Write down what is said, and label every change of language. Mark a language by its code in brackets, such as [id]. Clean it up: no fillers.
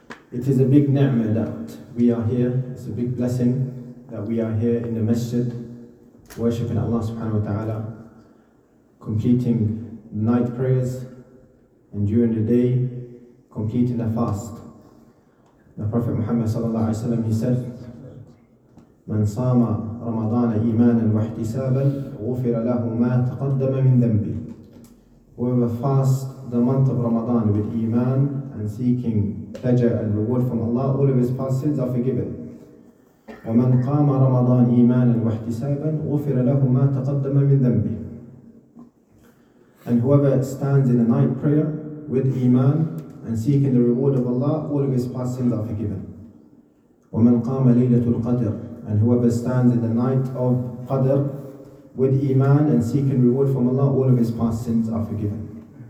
[en] It is a big ni'mah that we are here. It's a big blessing that we are here in the masjid, worshipping Allah subhanahu wa ta'ala, completing night prayers, and during the day, completing the fast. The Prophet Muhammad sallallahu alayhi wa sallam, he said, [ar] من صام رمضان إيمانا واحتسابا غفر له ما تقدم من ذنبه. [en] Whoever fasts the month of Ramadan with Iman and seeking pleasure and reward from Allah, all of his past sins are forgiven. [ar] ومن قام رمضان إيمانا واحتسابا غفر له ما تقدم من ذنبه. [en] And whoever stands in a night prayer with Iman and seeking the reward of Allah, all of his past sins are forgiven. [ar] ومن قام ليلة القدر. [en] And whoever stands in the night of Qadr with Iman and seeking reward from Allah, all of his past sins are forgiven.